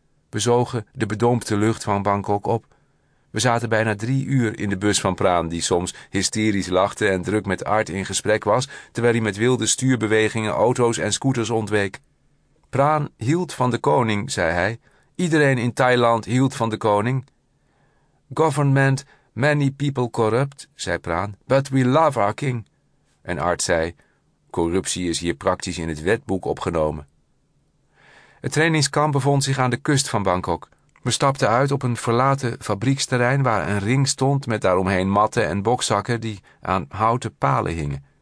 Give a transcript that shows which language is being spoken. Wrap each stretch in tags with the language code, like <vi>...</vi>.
<nl>We zogen de bedompte lucht van Bangkok op. We zaten bijna 3 uur in de bus van Praan, die soms hysterisch lachte en druk met Art in gesprek was, terwijl hij met wilde stuurbewegingen auto's en scooters ontweek. Praan hield van de koning, zei hij. Iedereen in Thailand hield van de koning.</nl> <en>Government, many people corrupt,</en> <nl>zei Praan,</nl> <en>but we love our king.</en> <nl>En Art zei, corruptie is hier praktisch in het wetboek opgenomen. Het trainingskamp bevond zich aan de kust van Bangkok. We stapten uit op een verlaten fabrieksterrein waar een ring stond met daaromheen matten en bokzakken die aan houten palen hingen.</nl>